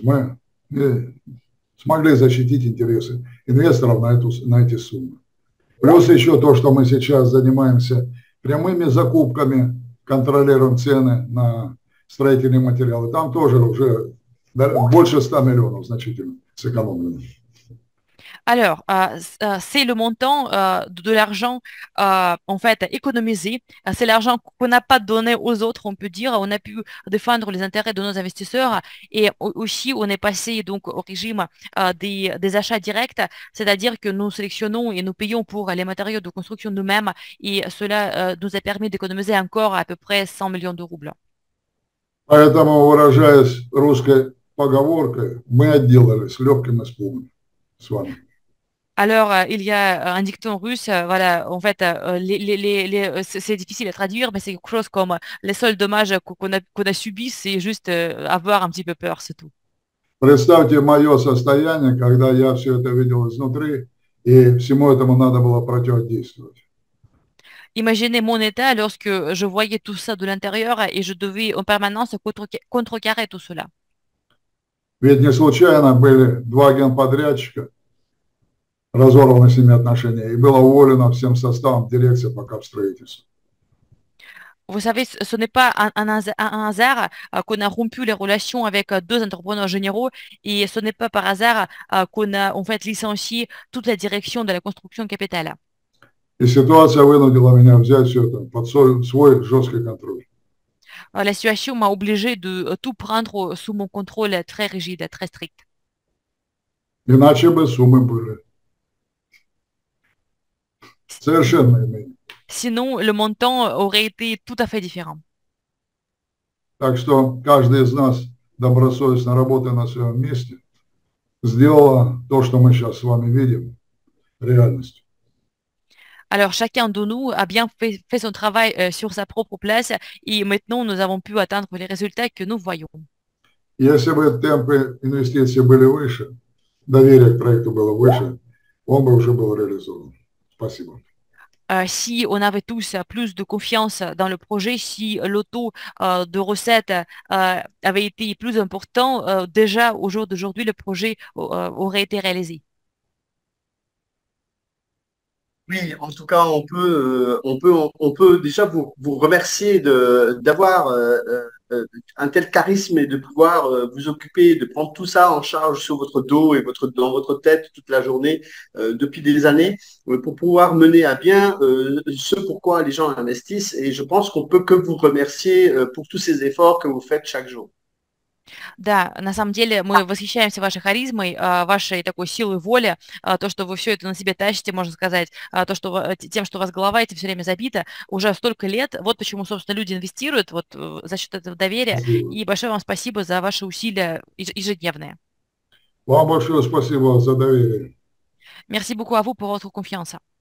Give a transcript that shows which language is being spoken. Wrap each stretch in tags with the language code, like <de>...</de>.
<ru>Мы не смогли защитить интересы инвесторов на эти суммы. Плюс еще то, что мы сейчас занимаемся прямыми закупками, контролируем цены на строительные материалы. Там тоже уже больше 100 миллионов значительно сэкономлено.</ru> <fr>Alors, c'est le montant de l'argent en fait économisé. C'est l'argent qu'on n'a pas donné aux autres, on peut dire. On a pu défendre les intérêts de nos investisseurs, et aussi on est passé donc au régime des achats directs, c'est-à-dire que nous sélectionnons et nous payons pour les matériaux de construction nous-mêmes, et cela nous a permis d'économiser encore à peu près 100 millions de roubles.</fr> <ru>Поэтому, выражаясь русской поговоркой, мы отделались легким испугом с вами.</ru> <fr>Alors, il y a un dicton russe, voilà, en fait, c'est difficile à traduire, mais c'est quelque chose comme les seuls dommages qu'on a subis, c'est juste avoir un petit peu peur, c'est tout.</fr> <ru>Представьте мое состояние, когда я все это видел изнутри, и всему этому надо было противодействовать.</ru> <fr>Imaginez mon état lorsque je voyais тout ça de l'intérieur et je devais en permanence contrecarrer tout cela.</fr> <ru>Ведь не случайно были два генподрядчика, разорвано с ними отношения и было уволено всем составом дирекции по капстроительству.</ru> <fr>Vous savez, ce n'est pas un hasard qu'on a rompu les relations avec deux entrepreneurs généraux et ce n'est pas par hasard qu'on a en fait licencié toute la direction de la construction capitale.</fr> <ru>И ситуация вынудила меня взять все это под свой жесткий контроль.</ru> <fr>La situation m'a obligé de tout prendre sous mon contrôle très rigide, très strict.</fr> <ru>Иначе бы суммы были. Совершенно иные.</ru> <fr>Sinon, le montant aurait été тout à fait différent.</fr> <ru>Так что каждый из нас, добросовестно работая на своем месте, сделал то, что мы сейчас с вами видим, реальностью.</ru> <fr>Alors, chacun de nous a bien fait son travail sur sa propre place et maintenant, nous avons pu atteindre les résultats que nous voyons.</fr> <ru>Если бы темпы инвестиций были выше, доверие к проекту было выше, он бы уже был реализован. Спасибо.</ru> <fr>Si on avait tous plus de confiance dans le projet, si le taux de recette avait été plus important, déjà au jour d'aujourd'hui, le projet aurait été réalisé. Oui, en tout cas, on peut déjà vous remercier d'avoir un tel charisme et de pouvoir vous occuper, de prendre tout ça en charge sur votre dos et dans votre tête toute la journée depuis des années pour pouvoir mener à bien ce pourquoi les gens investissent. Et je pense qu'on peut que vous remercier pour tous ces efforts que vous faites chaque jour.</fr> <ru>Да, на самом деле мы восхищаемся вашей харизмой, вашей такой силой воли, то, что вы все это на себе тащите, можно сказать, то, что тем, что у вас голова эти все время забита уже столько лет. Вот почему, собственно, люди инвестируют вот за счет этого доверия. И большое вам спасибо за ваши усилия ежедневные. Вам большое спасибо за доверие.</ru> <fr>Merci beaucoup à vous pour votre confiance.</fr>